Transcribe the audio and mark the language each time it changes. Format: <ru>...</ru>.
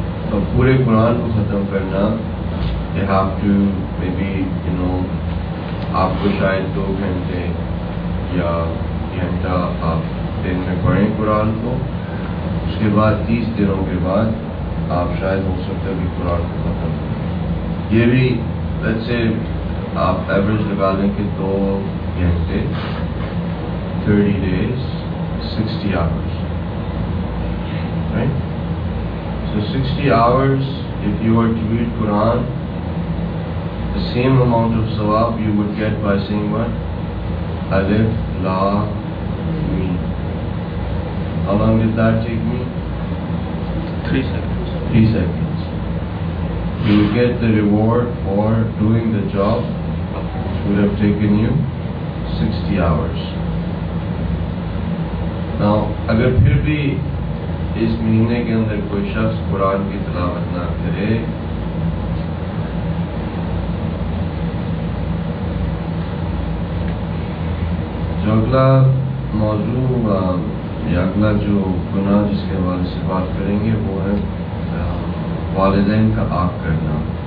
<ur>اور پورے قرآن کو ختم کرنا آپ</ur> <en>to maybe you know</en> <ur>آپ کو شاید دو گھنٹے یا گھنٹہ آپ دن میں پڑھیں قرآن کو, اس کے بعد 30 دنوں کے بعد آپ شاید ہو سکتا ہے قرآن کو ختم کریں. یہ بھی ویسے آپ ایوریج لگا لیں کہ 2 گھنٹے</ur> <en>30 days 60 hours right. So 60 hours if you were to read Quran the same amount of sawab you would get by saying what alif la meen. How long did that take me? 3 seconds. You would get the reward for doing the job which would have taken you 60 hours. Now,</en> <ur>اگر پھر بھی اس مہینے کے اندر کوئی شخص قرآن کی تلاوت نہ کرے جو اگلا موضوع یا اگلا جو گناہ جس کے حوالے سے بات کریں گے وہ ہے والدین کا آگ کرنا.</ur>